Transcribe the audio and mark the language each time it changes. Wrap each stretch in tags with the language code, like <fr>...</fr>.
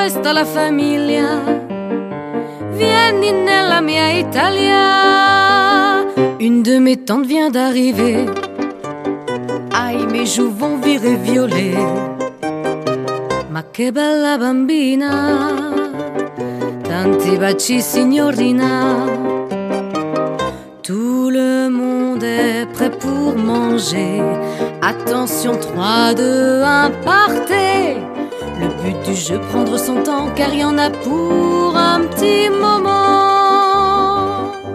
<it>La famiglia, vieni nella mia Italia.</it> <fr>Une de mes tantes vient d'arriver, aïe mes joues vont virer violet.</fr> <it>Ma che bella bambina, tanti baci signorina.</it> <fr>Tout le monde est prêt pour manger, attention 3, 2, 1, partez. Le but du du jeu prendre son temps, car il y en a pour un petit moment.</fr>